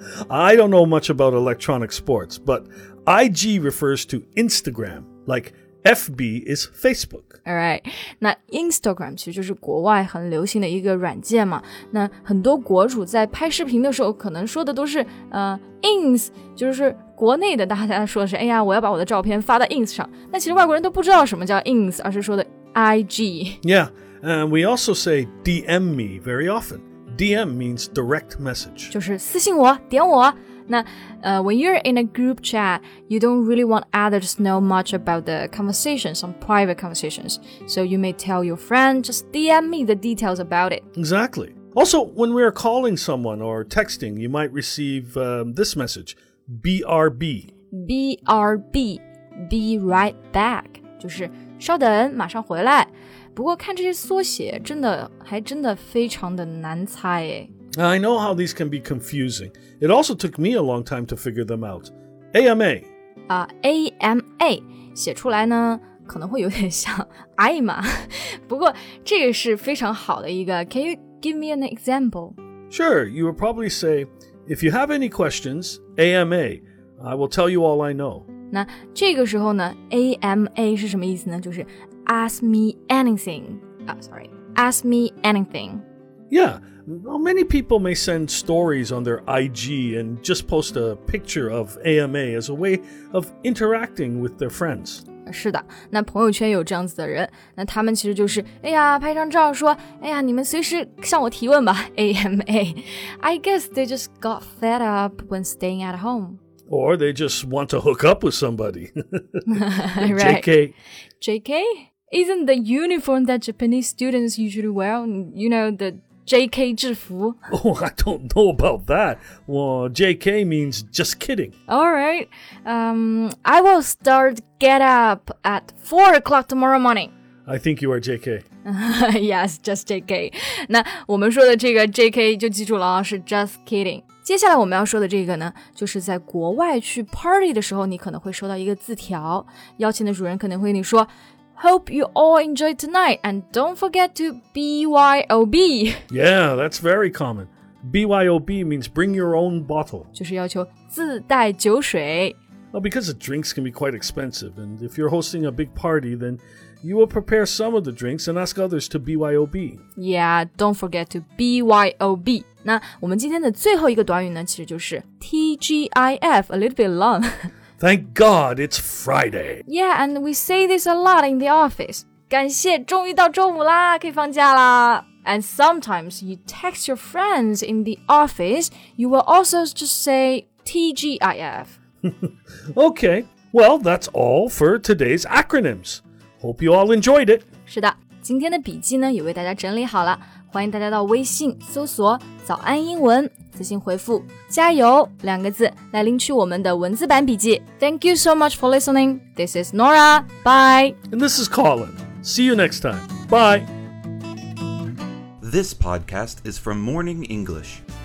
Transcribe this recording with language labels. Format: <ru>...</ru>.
<en>I don't know much about electronic sports, but IG refers to Instagram, like FB is Facebook.</en> <zh>Alright, 那 Instagram 其实就是国外很流行的一个软件嘛，那很多国主在拍视频的时候可能说的都是Ins， 就是国内的大家说的是，哎呀，我要把我的照片发到 Ins 上。那其实外国人都不知道什么叫 Ins， 而是说的 IG.</zh> <en>Yeah, and we also say DM me very often. DM means direct message.</en> <zh>就是私信我，点我。</zh> <en>那when you're in a group chat, you don't really want others to know much about the conversation, some private conversations. So you may tell your friend, just DM me the details about it. Exactly. Also, when we are calling someone or texting, you might receive this message. BRB. BRB. Be right back.</en> <zh>就是稍等马上回来。不过看这些缩写真的还真的非常的难猜耶。</zh> <en>I know how these can be confusing. It also took me a long time to figure them out. AMA.</en> <zh>AMA. 写出来呢可能会有点像艾玛。不过这个是非常好的一个。</zh> <en>Can you give me an example? Sure, you would probably say... If you have any questions, AMA, I will tell you all I know. 那这个时候呢 ,AMA 是什么意思呢？就是 ask me anything. Ask me anything. Yeah, well, many people may send stories on their IG and just post a picture of AMA as a way of interacting with their friends.</en> <zh>是的，那朋友圈有这样子的人，那他们其实就是，哎呀，拍张照说，哎呀，你们随时向我提问吧 ，AMA.</zh> <en>I guess they just got fed up when staying at home. Or they just want to hook up with somebody. JK. JK? Isn't the uniform that Japanese students usually wear, you know, the JK 制服? Oh, I don't know about that. Well, JK means just kidding. Alright, I will start get up at 4 o'clock tomorrow morning. I think you are JK. Yes, just JK.</en> <zh>那我们说的这个 JK 就记住了，是</zh> <en>just kidding.</en> <zh>接下来我们要说的这个呢，就是在国外去 party 的时候，你可能会收到一个字条，邀请的主人可能会跟你说</zh> <en>Hope you all enjoy tonight, and don't forget to BYOB. Yeah, that's very common. BYOB means bring your own bottle. 就是要求自带酒水。 Well, because the drinks can be quite expensive, and if you're hosting a big party, then you will prepare some of the drinks and ask others to BYOB. Yeah, don't forget to BYOB.</en> <zh>那我们今天的最后一个短语呢，其实就是 TGIF,</zh> <en>a little bit long. Thank God it's Friday. Yeah, and we say this a lot in the office.</en> <zh>感谢终于到周五啦，可以放假啦。</zh> <en>And sometimes you text your friends in the office, you will also just say TGIF. Okay, well, that's all for today's acronyms. Hope you all enjoyed it.</en> <zh>是的，今天的笔记呢也为大家整理好了。欢迎大家到微信搜索早安英文。私信回复加油两个字来领取我们的文字版笔记。</zh> <en>Thank you so much for listening. This is Nora. Bye. And this is Colin. See you next time. Bye. This podcast is from Morning English.</en>